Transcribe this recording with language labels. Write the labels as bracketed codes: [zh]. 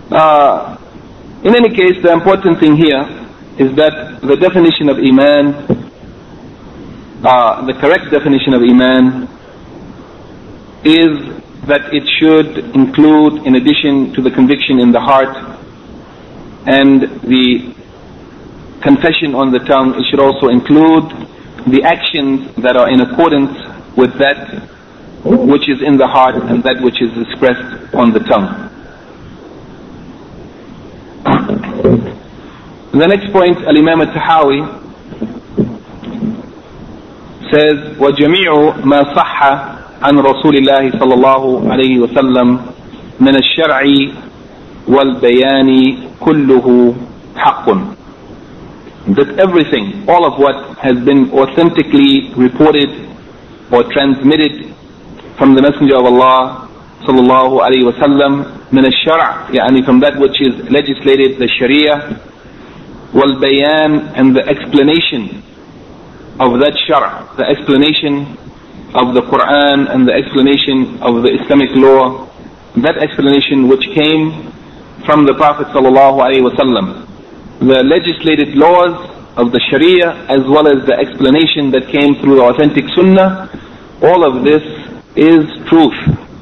[en] In any case, the important thing here is that the definition of iman, the correct definition of iman, is that it should include, in addition to the conviction in the heart and the confession on the tongue, it should also include the actions that are in accordance with that which is in the heart and that which is expressed on the tongue. The next point, Al-Imam al-Tahawi says, [ar] وَجَمِيعُ مَا صَحَّ عَنْ رَسُولِ اللَّهِ صَلَى اللَّهُ عَلَيْهِ وَسَلَّمْ مِنَ الشَّرْعِ وَالْبَيَانِ كُلُّهُ حَقٌّ. [en] That everything, all of what has been authentically reported or transmitted from the Messenger of Allah [ar] صلى الله عليه وسلم من الشرع, يعني [en] from that which is legislated, the Sharia, والبيان, and the explanation of that شرع, the explanation of the Quran and the explanation of the Islamic law, that explanation which came from the Prophet [ar] صلى الله عليه وسلم, [en] the legislated laws of the Sharia as well as the explanation that came through the authentic Sunnah, all of this is truth.